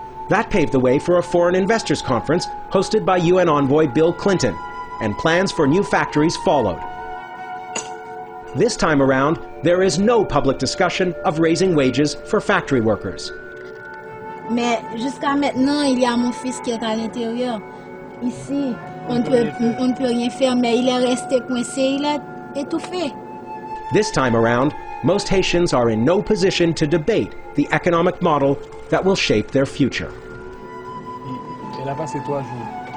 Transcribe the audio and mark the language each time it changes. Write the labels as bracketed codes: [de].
[en] That paved the way for a foreign investors conference hosted by UN envoy Bill Clinton, and plans for new factories followed. This time around, there is no public discussion of raising wages for factory workers. [fr] Mais jusqu'à maintenant, il y a mon fils qui est à l'intérieur. Ici, on ne peut rien faire, mais il est resté coincé, il est étouffé. [en] This time around, most Haitians are in no position to debate the economic model that will shape their future. [fr] Elle a passé 3 jours.